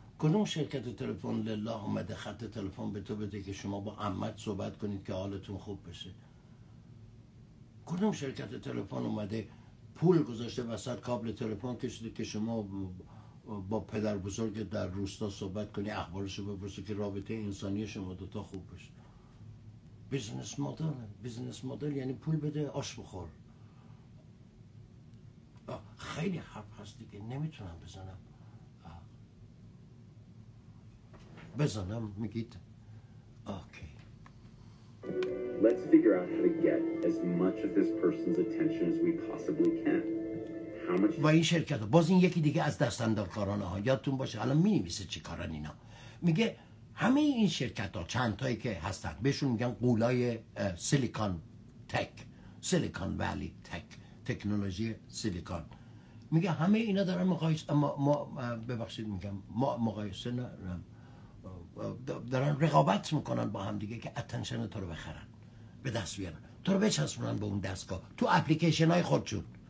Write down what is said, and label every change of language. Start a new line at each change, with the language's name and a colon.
Persian: کدوم شرکت تلفن لله اومده خط تلفن به تو بده که شما با عمت صحبت کنید که حالتون خوب بشه؟ کدوم شرکت تلفن اومده پول گذاشته وسط کابل تلفن کشیده که شما با پدر بزرگ در روستا صحبت کنی، اخبارشو بپرسی که رابطه انسانی شما دوتا خوب بشه؟ بیزنس مدل، بیزنس مدل یعنی پول بده آش بخور. خیلی حرف هست دیگه، نمیتونم بزنم بزنم میگید اوکی.
English: Let's figure out how to get as much of this person's attention as we possibly can. How much
Persian: و این شرکت ها. باز این یکی دیگه از دست اندرکارانه ها، یادتون باشه الان مینویسه چی کارن اینا. میگه همه این شرکت ها، چند تایی که هستن، بهشون میگن قولای سیلیکون تک، سیلیکون ولی تک، تکنولوژی سیلیکون، میگه همه اینا دارن مقایسه، اما ما ببخشید میگم ما مقایسه ندارم، دارن رقابت میکنن با هم دیگه که اتنشن تو رو بخرن، به دست بیارن، تو رو بچسبونن به اون دستگاه تو اپلیکیشن های خودشون.